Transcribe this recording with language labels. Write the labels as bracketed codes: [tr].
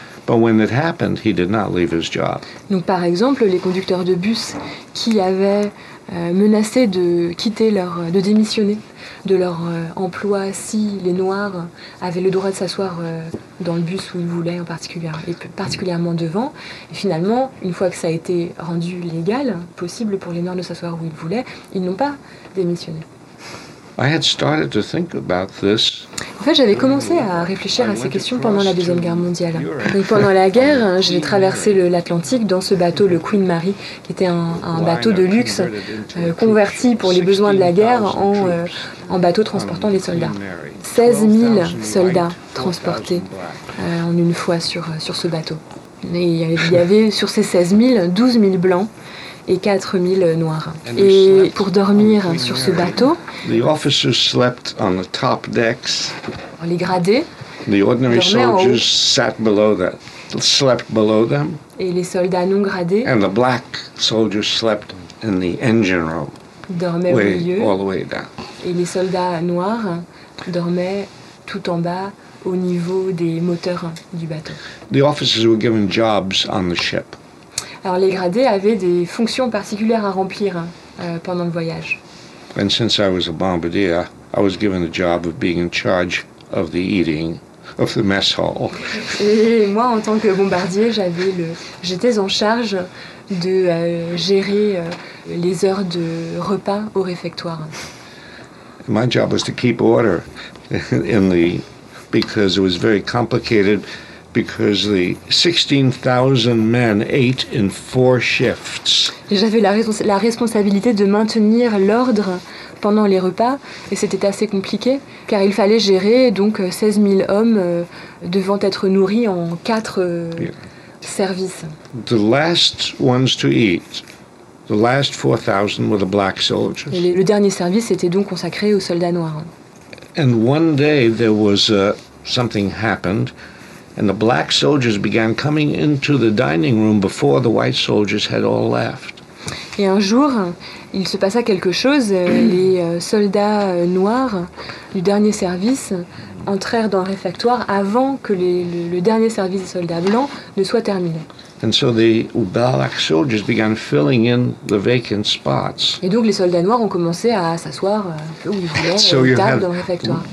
[en] But when it happened, he did not leave his job. [fr] Donc par exemple, les conducteurs de bus qui avaient menacé de quitter leur, de démissionner de leur emploi si les Noirs avaient le droit de s'asseoir dans le bus où ils voulaient, en particulier, et particulièrement devant. Et finalement, une fois que ça a été rendu légal, possible pour les Noirs de s'asseoir où ils voulaient, ils n'ont pas démissionné. [en] I had started to think about this. [fr] En fait, j'avais commencé à réfléchir à ces questions pendant la Deuxième Guerre mondiale. Donc, pendant la guerre, j'ai traversé l'Atlantique dans ce bateau, le Queen Mary, qui était un bateau de luxe converti pour les besoins de la guerre en bateau transportant les soldats. 16 000 soldats transportés en une fois sur ce bateau. Et il y avait sur ces 16 000, 12 000 blancs. Et 4000 noirs. Et pour dormir sur ce bateau, [en] the officers slept on the top decks. [fr] Les gradés. [en] The ordinary soldiers sat below them, slept below them. [fr] Et les soldats non gradés. [en] And the black soldiers slept in the engine room. [fr] Dormaient au milieu. [en] All the way down. [fr] Et les soldats noirs dormaient tout en bas au niveau des moteurs du bateau. [en] The officers were given jobs on the ship. [fr] Alors les gradés avaient des fonctions particulières à remplir pendant le voyage. [en] And since I was a bombardier, I was given the job of being in charge of the eating of the mess hall. [fr] Et moi, en tant que bombardier, j'étais en charge de gérer les heures de repas au réfectoire. [en] My job was to keep order in the because it was very complicated. Because the 16,000 men ate in four shifts. [fr] Et j'avais la responsabilité de maintenir l'ordre pendant les repas, et c'était assez compliqué, car il fallait gérer donc 16 000 hommes devant être nourris en quatre services. [en] The last ones to eat, the last 4,000 were the black soldiers. [fr] Et le dernier service était donc consacré aux soldats noirs. [en] And one day there was something happened. And the black soldiers began coming into the dining room before the white soldiers had all left. [fr] Et un jour, il se passa quelque chose. Les soldats noirs du dernier service entrèrent dans le réfectoire avant que le dernier service des soldats blancs ne soit terminé. [en] And so the black soldiers began filling in the vacant spots. [fr] Et donc les soldats noirs ont commencé à s'asseoir où ils voulaient, [en] so [fr] aux tables dans le réfectoire.